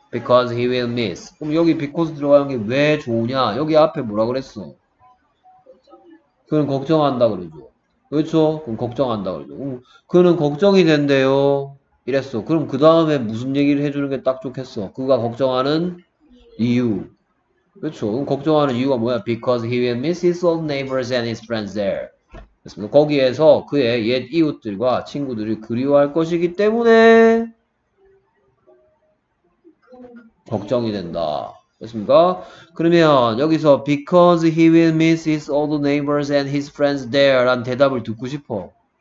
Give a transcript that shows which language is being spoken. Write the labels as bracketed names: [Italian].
[English] Because he will miss. [Korean] 그럼 여기 because 들어가는 게왜 좋으냐? 여기 앞에 뭐라 그랬어? 그는 걱정한다 그러죠. 그렇죠? 그럼 걱정한다 그러죠. 그는 걱정이 된대요. 이랬어. 그럼 그 다음에 무슨 얘기를 해주는 게딱 좋겠어. 그가 걱정하는 이유. 그렇죠. 그럼 걱정하는 이유가 뭐야? [English] Because he will miss his old neighbors and his friends there. [Korean] 거기에서 그의 옛 이웃들과 친구들이 그리워할 것이기 때문에 걱정이 된다. 됐습니까? 그러면 여기서 [English] Because he will miss his old neighbors and his friends there [Korean] 라는 대답을 듣고 싶어.